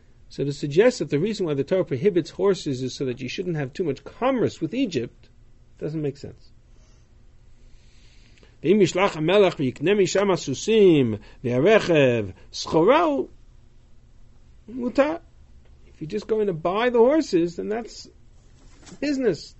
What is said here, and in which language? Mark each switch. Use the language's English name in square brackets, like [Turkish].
[English] So to suggest that the reason why the Torah prohibits horses is so that you shouldn't have too much commerce with Egypt doesn't make sense. [Hebrew] ואם ישלח המלך ויקנה משם הסוסים והרכב סחורהו מותר. [English] If you're just going to buy the horses, then that's business.